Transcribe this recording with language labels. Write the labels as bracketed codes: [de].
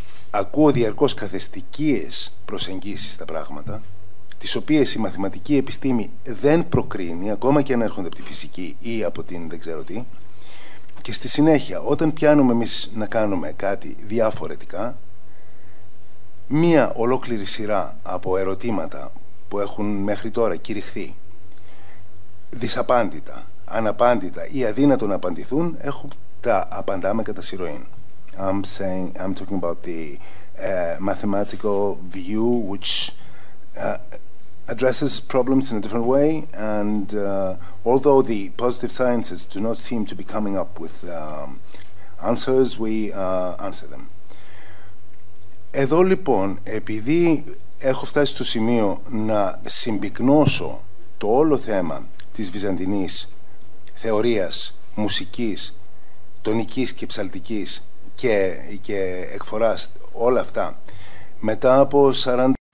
[el] ακούω διαρκώς καθεστικίες προσεγγίσεις στα πράγματα, τις οποίες η μαθηματική επιστήμη δεν προκρίνει, ακόμα και αν έρχονται από τη φυσική ή από την δεν ξέρω τι, και στη συνέχεια, όταν πιάνουμε εμείς να κάνουμε κάτι διαφορετικά, μία ολόκληρη σειρά από ερωτήματα που έχουν μέχρι τώρα κηρυχθεί δυσαπάντητα, αναπάντητα ή αδύνατο να απαντηθούν, έχουν τα απαντάμε κατά σειροήν. [en] I'm talking about the mathematical view which addresses problems in a different way, and although the positive sciences do not seem to be coming up with answers, we answer them. [el] Εδώ λοιπόν, επειδή έχω φτάσει στο σημείο να συμπυκνώσω το όλο θέμα της βυζαντινής θεωρίας μουσικής, τονικής και ψαλτικής και εκφοράς όλα αυτά, μετά από 40